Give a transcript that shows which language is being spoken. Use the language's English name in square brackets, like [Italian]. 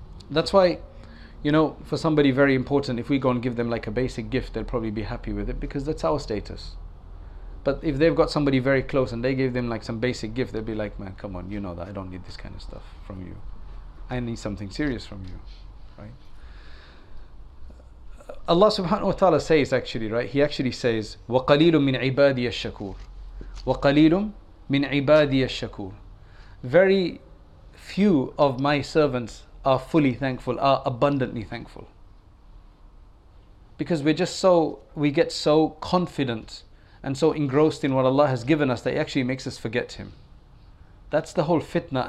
[English] That's why, you know, for somebody very important, if we go and give them like a basic gift, they'll probably be happy with it because that's our status. But if they've got somebody very close and they give them like some basic gift, they'll be like, man, come on, you know that I don't need this kind of stuff from you. I need something serious from you, right? Allah subhanahu wa ta'ala says actually, right? He actually says, [Arabic] وَقَلِيلٌ مِّنْ عِبَادِيَ الشَّكُورِ وَقَلِيلٌ مِّنْ عِبَادِيَ الشَّكُورِ. [English] Very few of my servants are fully thankful, are abundantly thankful. Because we get so confident and so engrossed in what Allah has given us that it actually makes us forget Him. That's the whole fitna.